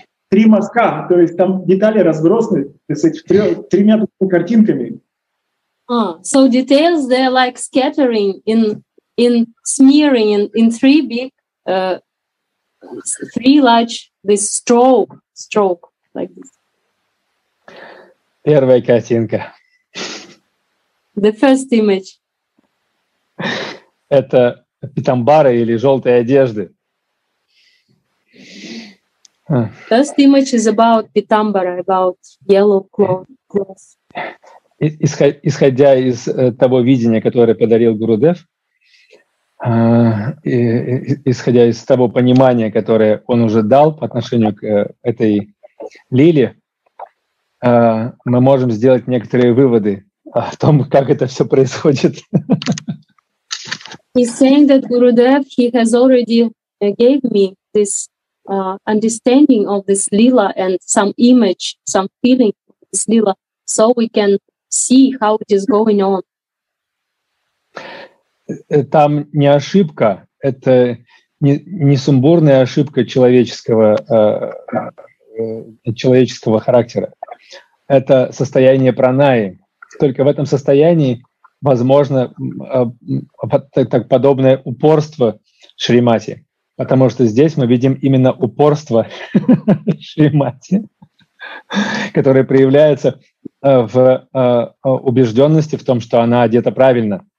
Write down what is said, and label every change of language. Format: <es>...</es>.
<ru>Три мазка, то есть там детали разбросаны, то есть тремя картинками.</ru> <en>So details they are like scattering in smearing in three big three large this stroke like this.</en> <ru>Первая картинка.</ru> <en>The first image.</en> <ru>Это питамбары или желтые одежды.</ru> <en>First image is about питамбара, about yellow clothes.</en> <ru>Исходя из того видения, которое подарил Гуру Дев, исходя из того понимания, которое он уже дал по отношению к этой лиле, мы можем сделать некоторые выводы о том, как это все происходит.</ru> <en>He's saying that Guru Dev, he has already gave me this understanding of this lila and some image, some feeling of this lila, so we can see how it is going on.</en> <ru>Там не ошибка, это не сумбурная ошибка человеческого характера. Это состояние пранаи. Только в этом состоянии возможно так подобное упорство Шримати, потому что здесь мы видим именно упорство Шримати, которое проявляется в убежденности в том, что она одета правильно.</ru>